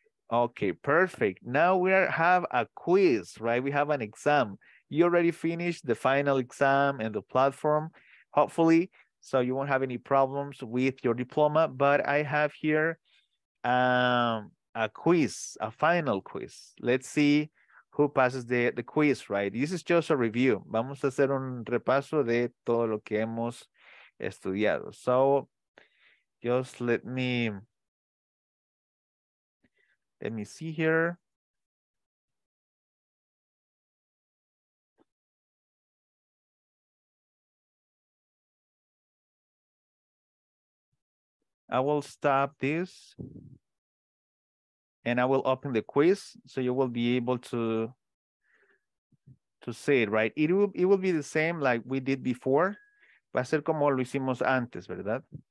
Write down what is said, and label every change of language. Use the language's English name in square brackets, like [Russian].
[English] Okay, perfect. Now we have a quiz, right? We have an exam. You already finished the final exam and the platform, hopefully, so you won't have any problems with your diploma. But I have here a quiz, a final quiz. Let's see who passes the quiz, right? This is just a review. [Spanish] Vamos a hacer un repaso de todo lo que hemos estudiado. [English] So just let me see here. I will stop this and I will open the quiz so you will be able to see it, right? It will be the same like we did before. [Spanish] Va a ser como lo hicimos antes, ¿verdad?